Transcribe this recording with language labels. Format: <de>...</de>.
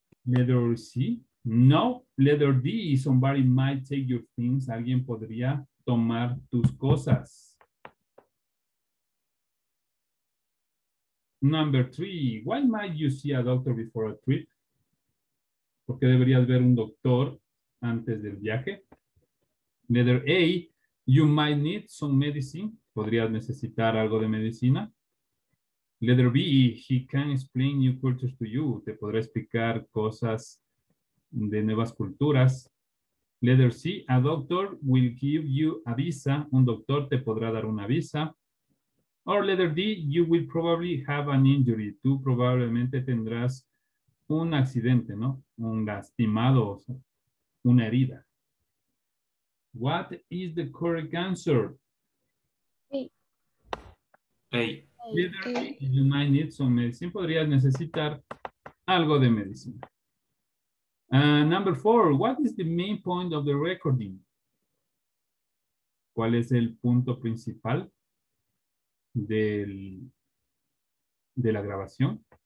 <en>Letter C. No. Letter D. Somebody might take your things.</en> <es>Alguien podría tomar tus cosas.</es> <en>Number three. Why might you see a doctor before a trip?</en> <es>¿Por qué deberías ver un doctor antes del viaje?</es> <en>Letter A, you might need some medicine.</en> <es>Podrías necesitar algo de medicina.</es> <en>Letter B, he can explain new cultures to you.</en> <es>Te podrá explicar cosas de nuevas culturas.</es> <en>Letter C, a doctor will give you a visa.</en> <es>Un doctor te podrá dar una visa.</es> <en>Or letter D, you will probably have an injury.</en> <es>Tú probablemente tendrás un accidente, ¿no? Un lastimado, o sea, una herida.</es> <en>What is the correct answer? Hey. You might need some medicine.</en> <es>Podrías necesitar algo de medicina.</es> <en>Number four. What is the main point of the recording?</en> <es>¿Cuál es el punto principal de la grabación?</es>